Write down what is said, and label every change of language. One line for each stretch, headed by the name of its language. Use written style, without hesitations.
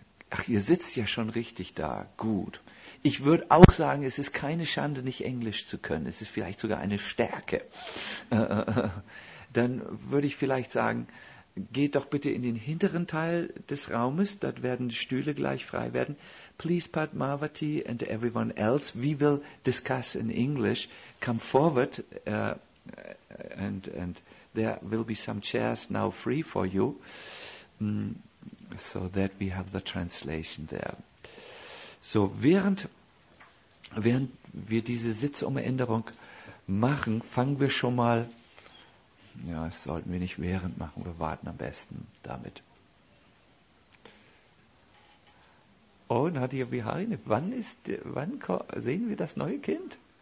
German: ach, ihr sitzt ja schon richtig da, gut. Ich würde auch sagen, es ist keine Schande, nicht Englisch zu können. Es ist vielleicht sogar eine Stärke. Dann würde ich vielleicht sagen, geht doch bitte in den hinteren Teil des Raumes, dort werden die Stühle gleich frei werden.
English: Please, Padmavati and everyone else, we will discuss in English. Come forward and there will be some chairs now free for you, so that we have the translation there.
German: So, während wir diese Sitzumänderung machen, fangen wir schon mal. Ja, das sollten wir nicht während machen, wir warten am besten damit. Oh, Nadia Biharine, wann sehen wir das neue Kind?